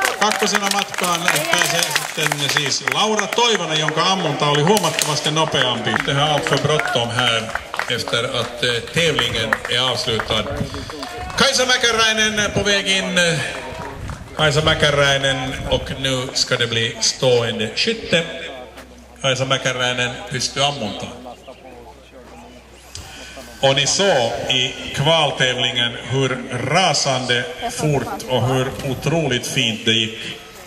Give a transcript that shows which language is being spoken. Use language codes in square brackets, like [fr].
[fi] Kakkosena matkaan pääsee sitten siis Laura Toivonen, jonka ammunta oli huomattavasti nopeampi. [sv] Det här är alltså bråttom här efter att tävlingen är avslutad. Kajsa Mäkäräinen på väg in. Kajsa Mäkäräinen, och nu ska det bli stående skytte. [fi] Kajsa Mäkäräinen pystyy ammuntaan. [sv] Och ni såg i kvaltävlingen hur rasande fort och hur otroligt fint det gick.